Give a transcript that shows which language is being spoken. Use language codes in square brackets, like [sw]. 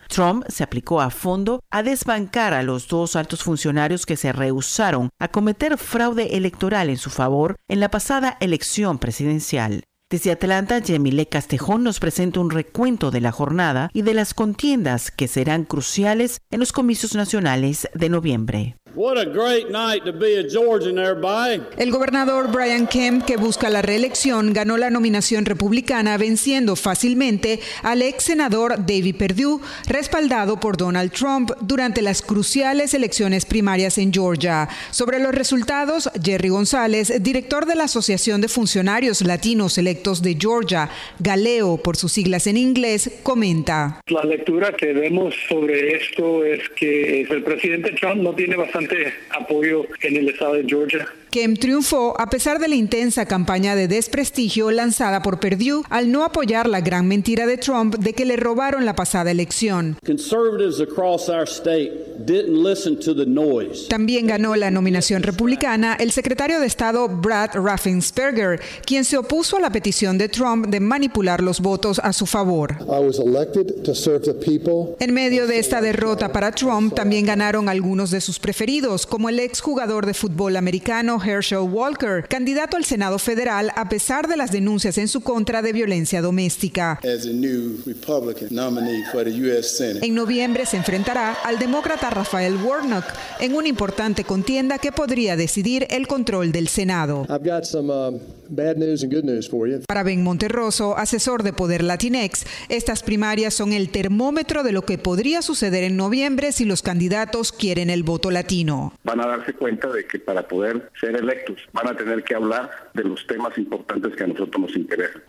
[es] Trump se aplicó a fondo a desbancar a los dos altos funcionarios que se rehusaron a cometer fraude electoral en su favor en la pasada elección presidencial. Desde Atlanta, Yemilé Castejón nos presenta un recuento de la jornada y de las contiendas que serán cruciales en los comicios nacionales de noviembre. [en] What a great night to be a Georgian, everybody. [es] El gobernador Brian Kemp, que busca la reelección, ganó la nominación republicana venciendo fácilmente al ex senador David Perdue, respaldado por Donald Trump durante las cruciales elecciones primarias en Georgia. Sobre los resultados, Jerry González, director de la Asociación de Funcionarios Latinos Electos de Georgia, Galeo por sus siglas en inglés, comenta. La lectura que vemos sobre esto es que el presidente Trump no tiene bastante apoyo en el estado de Georgia. Kemp triunfó a pesar de la intensa campaña de desprestigio lanzada por Perdue al no apoyar la gran mentira de Trump de que le robaron la pasada elección. [en] Conservatives across our state didn't listen to the noise. [es] También ganó la nominación republicana el secretario de Estado Brad Raffensperger, quien se opuso a la petición de Trump de manipular los votos a su favor. [en] I was elected to serve the people. [es] En medio de esta derrota para Trump, también ganaron algunos de sus preferidos, como el exjugador de fútbol americano Herschel Walker, candidato al Senado federal a pesar de las denuncias en su contra de violencia doméstica. [en] As a new Republican nominee for the U.S. Senate. [es] En noviembre se enfrentará al demócrata Raphael Warnock en una importante contienda que podría decidir el control del Senado. [en] I've got some bad news and good news for you. [es] Para Ben Monterroso, asesor de Poder Latinx, estas primarias son el termómetro de lo que podría suceder en noviembre si los candidatos quieren el voto latino. Van a darse cuenta de que para poder ser electos, van a tener que hablar de los temas importantes que a nosotros nos interesan.